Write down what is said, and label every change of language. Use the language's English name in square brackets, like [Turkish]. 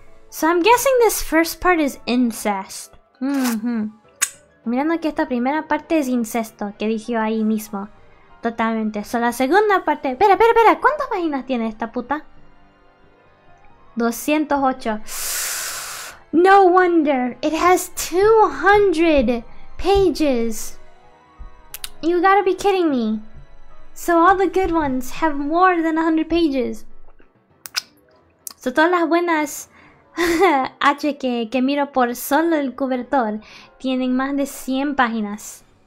[English] So I'm guessing this first part is incest. [Spanish] Mirando que esta primera parte es incesto, que dijo ahí mismo. Totalmente. So la segunda parte... Espera. ¿Cuántas páginas tiene esta puta? 208. [English] No wonder. It has 200 pages. You gotta be kidding me. So all the good ones have more than 100 pages. [Spanish] So todas las buenas H que miro por solo el cobertor tienen más de 100 páginas.